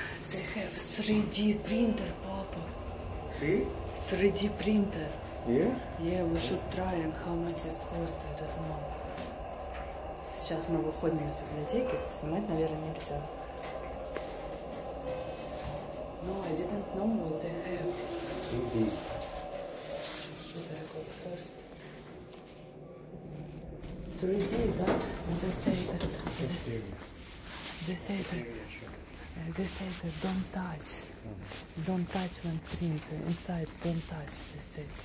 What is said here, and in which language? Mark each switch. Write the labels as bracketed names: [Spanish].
[English] They have 3D printer, Papa. 3D printer. Yeah, we should try and how much it cost, I don't know. [Russian] Сейчас мы выходим из библиотеки, снимать, наверное, нельзя. [English] No, I didn't know what they have. Should I go first? 3D, but they say that... They say that don't touch. Don't touch when print inside, don't touch, they say.